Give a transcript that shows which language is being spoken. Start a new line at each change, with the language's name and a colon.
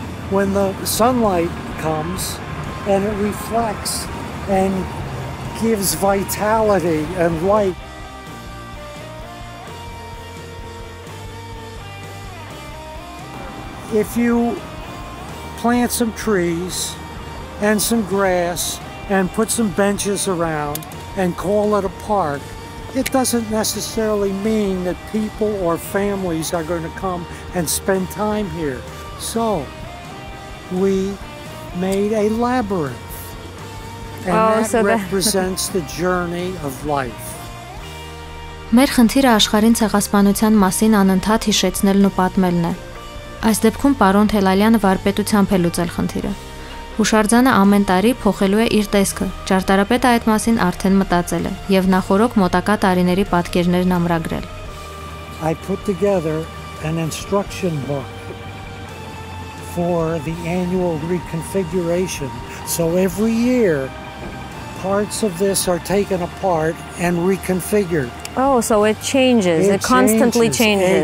English: When the sunlight comes and it reflects and gives vitality and light, if you plant some trees and some grass and put some benches around and call it a park, it doesn't necessarily mean that people or families are going to come and spend time here. So we made a labyrinth, and represents the journey of life.
Armenian: Մեր խնդիրը աշխարհին ցեղասպանության մասին անընդհատ հիշեցնելն ու պատմելն է։ Այս դեպքում պարոն Թելալյանը վարպետությամբ է լուծել խնդիրը։ Հուշարձանը ամեն տարի փոխելու է իր տեսքը, ճարտարապետը այդ մասին արդեն մտածել է և նախորոք մոտակա տարիների պատկերներն ամրագրել։
English: I put together an instruction book for the annual reconfiguration. So every year, parts of this are taken apart and reconfigured. Oh, so it changes. It constantly changes.